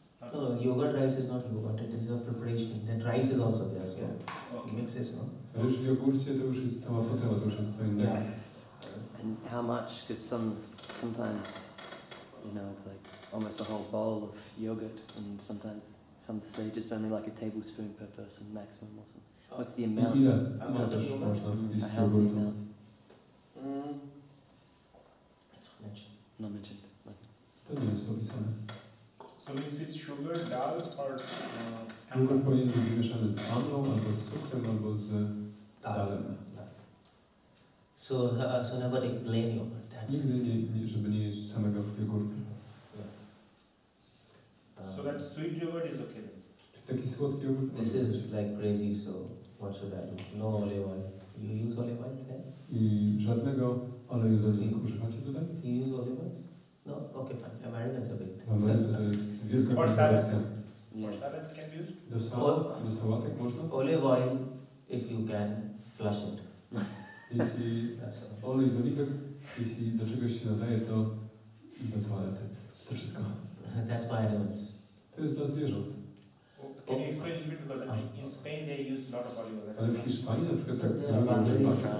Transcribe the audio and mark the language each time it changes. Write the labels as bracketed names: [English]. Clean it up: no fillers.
[English] But yogurt rice they make is... No, yogurt rice is not yogurt, it is a preparation. Then rice is also there, so okay. Mixes, no? [Polish] Ryż w jogurcie to już jest cała potrawa, to już jest co innego. [English] And how much? Because sometimes, you know, it's like almost a whole bowl of yogurt, and sometimes some say just only like a tablespoon per person maximum or something. What's the amount? Yeah, a healthy amount. It's not mentioned. Not mentioned. [Polish] To nie jest opisane. [English] So means it's sugar, dal, or [Polish] Sugar powinien być mieszany z manną, albo z cukrem, albo z dalem. [English] So, so nobody blame you. [Polish] Nigdy nie, nie, żeby nie jeść samego jogurtu. [English] So that sweet yogurt is okay. [Polish] Taki słodki jogurt. [English] This is like crazy, so what should I do? No olive oil. You use olive oil then? [Polish] I żadnego oleju z oliwek używacie tutaj? [English] You use olive oil? No, okay, fine. Americans are big. Americans are big. For salad. Yeah. For salad can be used? [Polish] Do sałatek można? [English] Olive oil, if you can, flush it. [Polish] Jeśli olej z oliwek, jeśli do czegoś się nadaje, to do toalety. To wszystko. [English] That's for animals. [Polish] To jest dla zwierząt. [English] Can you explain it a bit? Because in Spain they use a lot of olive oil. But in Spain, they use a lot of olive oil.